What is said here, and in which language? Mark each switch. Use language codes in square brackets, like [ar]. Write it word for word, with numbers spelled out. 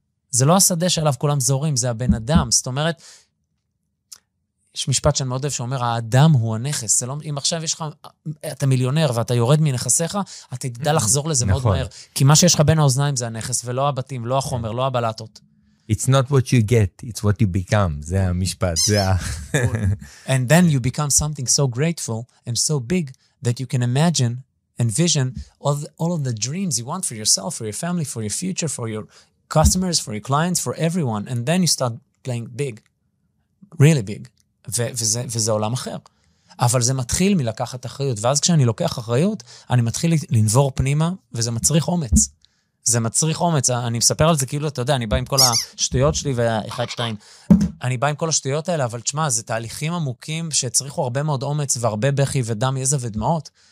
[he] זה לא השדה שעליו כולם זורים, זה הבן אדם. זאת אומרת, יש משפט שאני מאוד אוהב שאומר, האדם הוא הנכס. זה לא, אם עכשיו יש לך, אתה מיליונר ואתה יורד מנכסיך, אתה תדע לחזור לזה מאוד מהר. כי מה שיש לך בין האוזניים זה הנכס, ולא הבתים, לא החומר, לא הבלטות. [en] It's not what you get, it's what you become. [he] זה המשפט, זה ה... [en] And then you become something so grateful and so big that you can imagine envision all, the, all of the dreams you want for yourself, for your family, for your future, for your customers, for your clients, for everyone. And then you start playing big, really big. [he] ו- וזה, וזה עולם אחר. אבל זה מתחיל מלקחת אחריות. ואז כשאני לוקח אחריות, אני מתחיל לנבור פנימה, וזה מצריך אומץ. זה מצריך אומץ. אני מספר על זה כאילו, אתה יודע, אני בא עם כל השטויות שלי, ואחד, שתיים, אני בא עם כל השטויות האלה, אבל תשמע, זה תהליכים עמוקים שצריכו הרבה מאוד אומץ, והרבה בכי ודם, יזע ודמעות.